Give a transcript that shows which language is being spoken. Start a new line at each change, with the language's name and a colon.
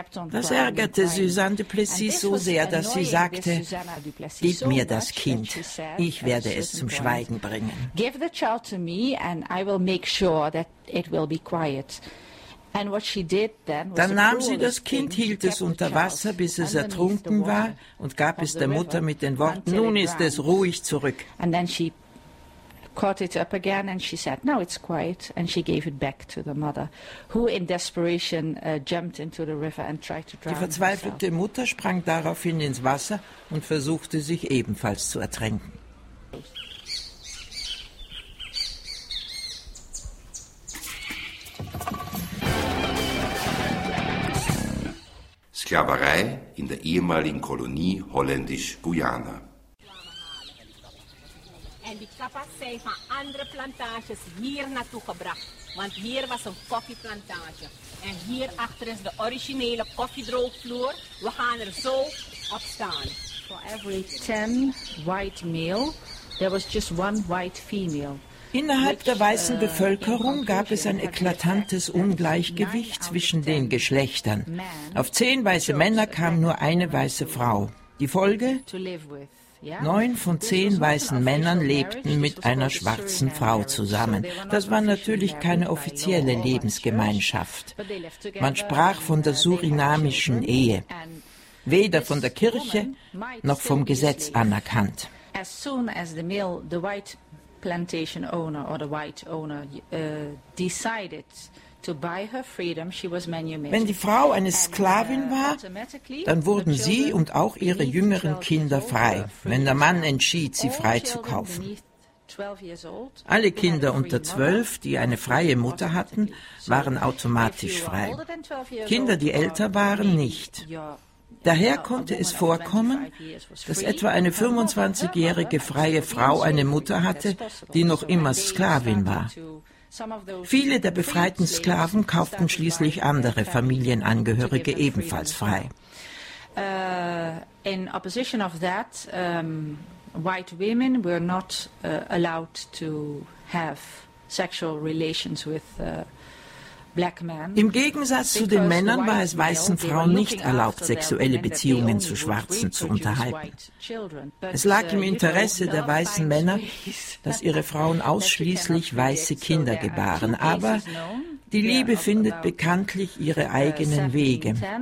German: Das ärgerte Suzanne du Plessis so sehr, dass sie sagte, gib mir das Kind, ich werde es zum Schweigen bringen.
English: Give the child to me and I will make sure that it will be quiet. And what she did then was
German: dann nahm sie das Kind, hielt es unter Wasser, bis es ertrunken war, und gab es der Mutter mit den Worten, nun ist es ruhig zurück.
English: And then she caught it up again and she said, now it's quiet, and she gave it back to the mother, who in desperation jumped into the river and tried to drown.
German: Die verzweifelte Mutter sprang daraufhin ins Wasser und versuchte sich ebenfalls zu ertränken. Sklaverei in der ehemaligen Kolonie Holländisch-Guyana.
Dutch: En die kappas zijn van andere plantages hier naartoe gebracht, want hier was een koffieplantage. En hier achter is de originele koffiedroogvloer. We gaan er zo op staan.
English: For every 10 white male, there was just one white female.
German: Innerhalb der weißen Bevölkerung gab es ein eklatantes Ungleichgewicht zwischen den Geschlechtern. Auf 10 weiße Männer kam nur eine weiße Frau. Die Folge? 9 von 10 weißen Männern lebten mit einer schwarzen Frau zusammen. Das war natürlich keine offizielle Lebensgemeinschaft. Man sprach von der surinamischen Ehe, weder von der Kirche noch vom Gesetz anerkannt.
English: As soon as the mill, the white plantation owner or the white owner decided to buy her freedom, she was manumitted.
German: Wenn die Frau eine Sklavin war, dann wurden sie und auch ihre jüngeren Kinder frei, wenn der Mann entschied, sie freizukaufen. Alle Kinder unter 12, die eine freie Mutter hatten, waren automatisch frei. Kinder, die älter waren, nicht. Daher konnte es vorkommen, dass etwa eine 25-jährige freie Frau eine Mutter hatte, die noch immer Sklavin war. Viele der befreiten Sklaven kauften schließlich andere Familienangehörige ebenfalls frei.
English: In opposition of that, white women were not allowed to have sexual relations with
German: Im Gegensatz zu den Männern war es weißen Frauen nicht erlaubt, sexuelle Beziehungen zu Schwarzen zu unterhalten. Es lag im Interesse der weißen Männer, dass ihre Frauen ausschließlich weiße Kinder gebaren. Aber die Liebe findet bekanntlich ihre eigenen Wege.